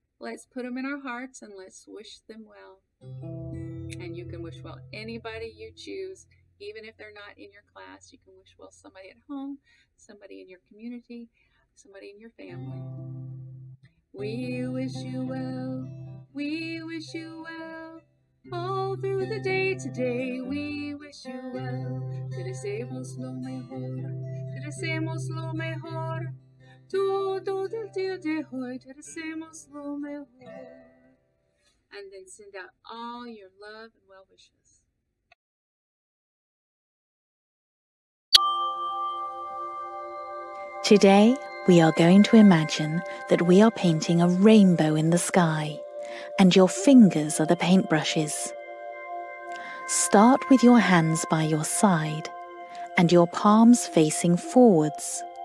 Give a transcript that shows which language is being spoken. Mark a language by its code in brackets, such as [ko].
[en] Let's put them in our hearts and let's wish them well. And you can wish well anybody you choose, even if they're not in your class. You can wish well somebody at home, somebody in your community, somebody in your family. We wish you well. We wish you well. All through the day today, we wish you well. [es] Te deseamos lo mejor, te deseamos lo mejor. Todo el día de hoy, te deseamos lo mejor. [en] And then send out all your love and well wishes. Today, we are going to imagine that we are painting a rainbow in the sky. And your fingers are the paintbrushes. Start with your hands by your side and your palms facing forwards.